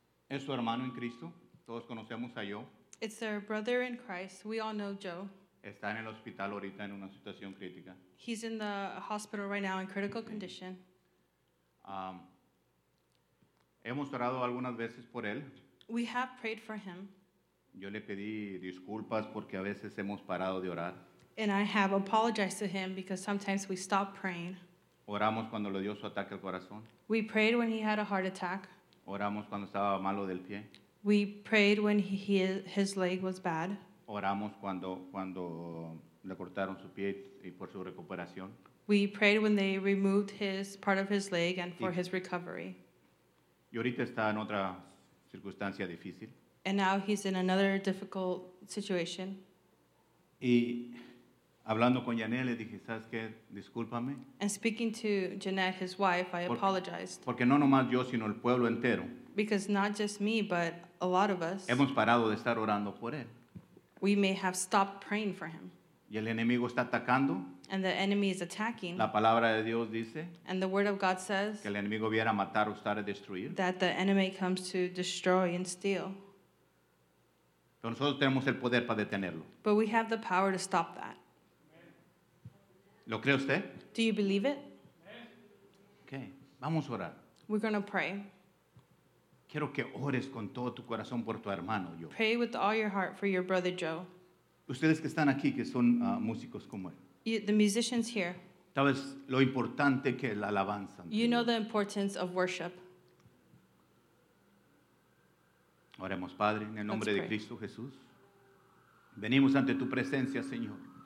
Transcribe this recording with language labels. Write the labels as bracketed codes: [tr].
[es] Es su hermano en Cristo. Todos conocemos a Joe. [en] It's their brother in Christ. We all know Joe. [es] Está en el hospital ahorita en una situación crítica. [en] He's in the hospital right now in critical condition. [es] Hemos orado algunas veces por él. [en] We have prayed for him. [es] Yo le pedí disculpas porque a veces hemos parado de orar. [en] And I have apologized to him because sometimes we stop praying. [es] Oramos cuando le dio su ataque al corazón. [en] We prayed when he had a heart attack. [es] Oramos cuando estaba malo del pie. [en] We prayed when his leg was bad. [es] Oramos cuando le cortaron su pie y por su recuperación. [en] We prayed when they removed his part of his leg and for his recovery. [es] Y ahorita está en otra circunstancia difícil. [en] And now he's in another difficult situation. [es] Y hablando con Janet, le dije, ¿sabes qué? Discúlpame. [en] And speaking to Janet, his wife, I apologized. [es] Porque no nomás yo, sino el pueblo entero. [en] Because not just me, but a lot of us. [es] Hemos parado de estar orando por él. [en] We may have stopped praying for him. [es] Y el enemigo está atacando. [en] And the enemy is attacking. [es] La palabra de Dios dice. [en] And the word of God says. [es] Que el enemigo viene a matar, hurtar, destruir. [en] That the enemy comes to destroy and steal. [es] Pero nosotros tenemos el poder para detenerlo. [en] But we have the power to stop that. [es] ¿Lo cree usted? [en] Do you believe it? [es] Okay. Vamos a orar. [en] We're going to pray. [es] Quiero que ores con todo tu corazón por tu hermano, Joe. [en] Pray with all your heart for your brother Joe. [es] Ustedes que están aquí, que son músicos como él. [en] The musicians here. [es] ¿Sabes lo importante que es la alabanza? [en] You know the importance of worship. [es] Oremos, Padre, en el nombre de Cristo Jesús. Venimos ante tu presencia, Señor.